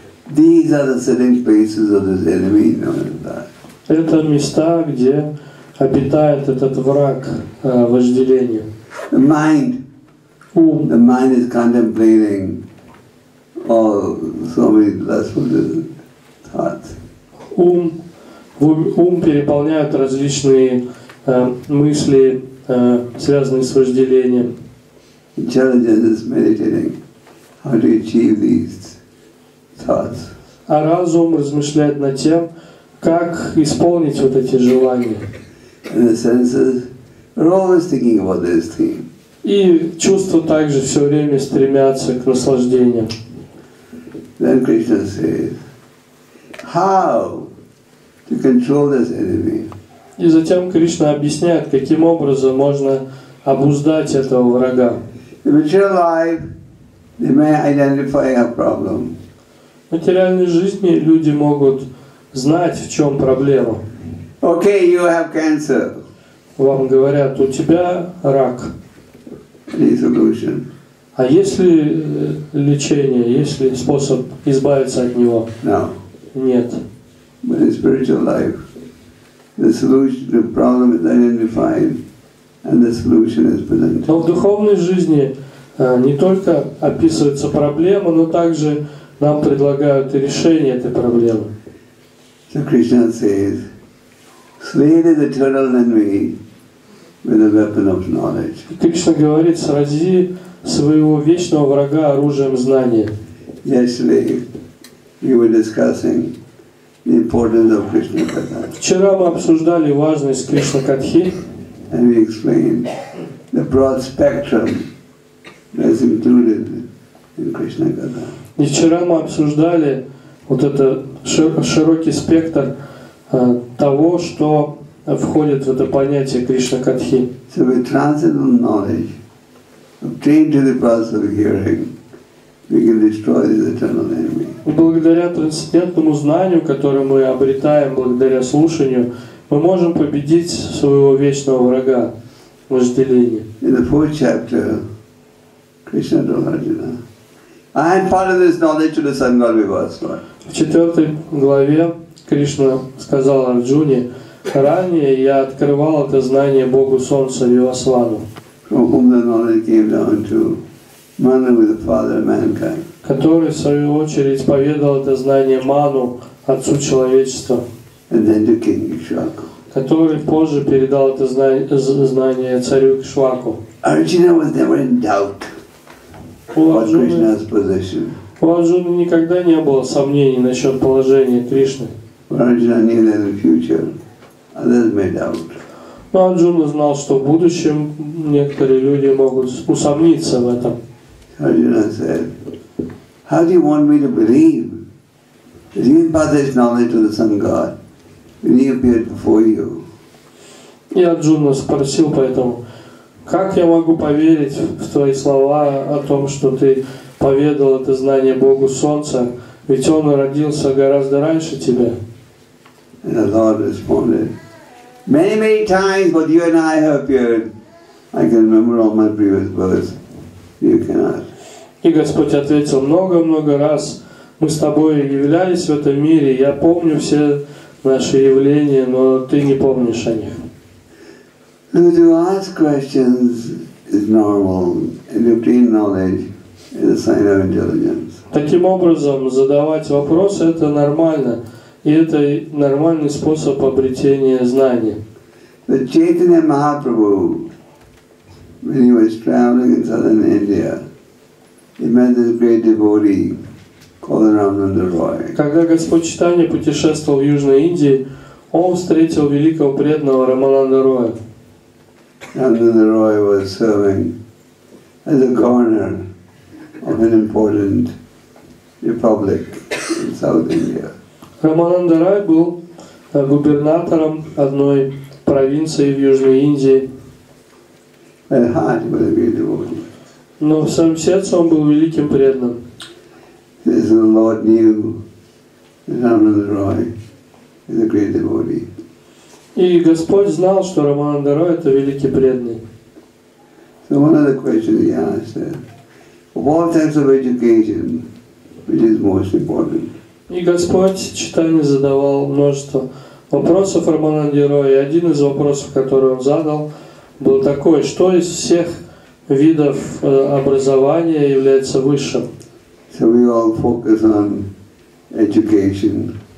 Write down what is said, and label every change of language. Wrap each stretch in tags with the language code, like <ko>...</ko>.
<en>These are the sitting places of this enemy, known as that.</en> <ru>Это места, где обитает этот враг вожделения.</ru> <en>The mind.</en> <ru>Ум.</ru> <en>The mind is contemplating all so many lustful thoughts.</en> <ru>Ум. Ум переполняет различные мысли, связанные с вожделением.</ru> <en>Intelligence is meditating how to achieve these thoughts.</en> <ru>А разум размышляет над тем, как исполнить вот эти желания.</ru> <en>And the senses are always thinking about this thing.</en> <ru>И чувства также все время стремятся к наслаждениям.</ru> <en>Then Krishna says, how to control this enemy.</en> <ru>И затем Кришна объясняет, каким образом можно обуздать этого врага.</ru> <en>In material life, they may identify a problem.</en> <ru>В материальной жизни люди могут знать, в чем проблема.</ru> <en>Okay, you have cancer.</en> <ru>Вам говорят, у тебя рак.</ru> <en>Any solution?</en> <ru>А есть ли лечение, есть ли способ избавиться от него?</ru> <en>No.</en> <ru>Нет.</ru> <en>But in spiritual life, the solution, the problem is identified, and the solution is presented.</en> <ru>Но в духовной жизни не только описывается проблема, но также нам предлагают и решение этой проблемы.</ru> <en>So Krishna says, "Slay the eternal enemy with a weapon of knowledge."</en> <ru>Кришна говорит, срази своего вечного врага оружием знания.</ru> <en>Yesterday, you were discussing the importance of Krishna Katha.</en> <ru>Вчера мы обсуждали важность Кришна Катхи.</ru> <en>And we explained the broad spectrum that is included in Krishna Katha.</en> <ru>И вчера мы обсуждали вот это широкий спектр того, что входит в это понятие Кришна Катхи.</ru> <en>So with transcendental knowledge obtained through the process of hearing, we can destroy the eternal enemy.</en> <ru>Благодаря трансцендентному знанию, которое мы обретаем благодаря слушанию, мы можем победить своего вечного врага, Разделение.</ru> <en>In the fourth chapter, Krishna told Arjuna, I am part of this knowledge to the Sun God Vivasva.</en> <ru>В четвертой главе Кришна сказал Арджуне, ранее я открывал это знание Богу Солнца Вивасвану,</ru> <en>from whom the knowledge came down to Manu, the father of mankind.</en> <ru>Который в свою очередь поведал это знание Ману, отцу человечества.</ru> <en>And then to King Ikshvaku.</en> <ru>Который позже передал это знание царю Ikshvaku.</ru> <en>Arjuna was never in doubt about Krishna's position.</en> <ru>У Арджуны никогда не было сомнений насчет положения Кришны.</ru> <en>Arjuna knew that in the future others may doubt.</en> <ru>Но Арджуна знал, что в будущем некоторые люди могут усомниться в этом.</ru> <en>Arjuna said, how do you want me to believe that you impart this knowledge to the Sun God when he appeared before you?</en> <ru>И Арджуна спросил поэтому, как я могу поверить в твои слова о том, что ты поведал это знание Богу Солнца, ведь он родился гораздо раньше тебя?</ru> <en>And the Lord responded, many, many times what you and I have appeared, I can remember all my previous births, you cannot.</en> <ru>И Господь ответил, много-много раз мы с тобой являлись в этом мире, я помню все наши явления, но ты не помнишь о них.</ru> <en>So to ask questions is normal, and obtain knowledge is a sign of intelligence.</en> <ru>Таким образом, задавать вопросы – это нормально, и это нормальный способ обретения знания.</ru> <en>The Chaitanya Mahaprabhu, when he was traveling in southern India, he met this great devotee called Ramananda Roy.</en> <ru>Когда Господь Читания путешествовал в Южной Индии, он встретил великого преданного Рамананда Роя.</ru> <en>Ramananda Roy was serving as a governor of an important republic in South India.</en> <ru>Рамананда Рой был губернатором одной провинции в Южной Индии.</ru> <en>At heart, he was a great devotee.</en> <ru>Но в своем сердце он был великим преданным.</ru> <en>The Lord knew that Ramananda Roy is a great devotee.</en> <ru>И Господь знал, что Рамананда Рой это великий преданный.</ru> <en>So one of the questions he asked, of all types of education, which is most important?</en> <ru>И Господь Читания задавал множество вопросов Рамананде Рой. И один из вопросов, который он задал, был такой, что из всех видов образования является высшим.</ru> <en>So we all focus on education.</en>